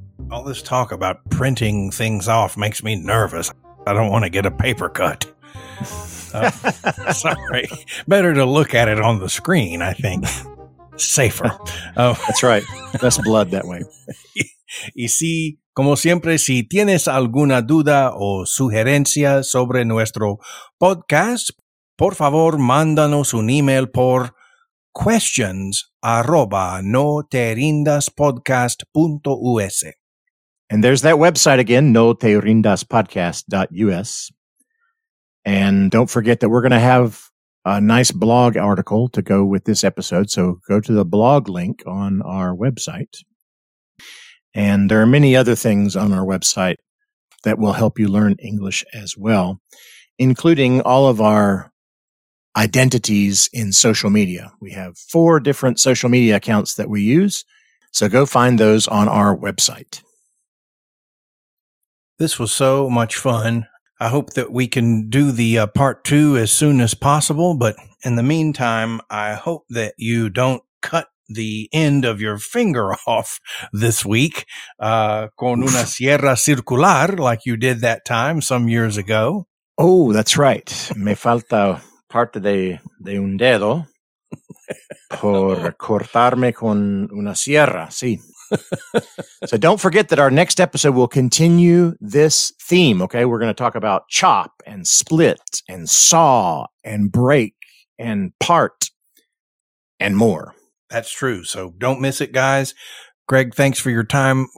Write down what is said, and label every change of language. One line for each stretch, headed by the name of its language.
English: All this talk about printing things off makes me nervous. I don't want to get a paper cut. sorry. Better to look at it on the screen, I think. Safer. That's right. Less blood that way.
Spanish: Y si, como siempre, si tienes alguna duda o sugerencia sobre nuestro podcast, por favor, mándanos un email por questions@noterindaspodcast.us.
English: And there's that website again, noterindaspodcast.us. And don't forget that we're going to have a nice blog article to go with this episode. So go to the blog link on our website. And there are many other things on our website that will help you learn English as well, including all of our identities in social media. We have 4 different social media accounts that we use. So go find those on our website. This was so much fun. I hope that we can do the part 2 as soon as possible. But in the meantime, I hope that you don't cut the end of your finger off this week
Spanish: con una sierra circular
English: like you did that time some years ago. Oh, that's right.
Spanish: Me falta parte de un dedo por cortarme con una sierra. Sí.
English: So don't forget that our next episode will continue this theme, okay? We're going to talk about chop and split and saw and break and part and more. That's true. So don't miss it, guys. Greg, thanks for your time.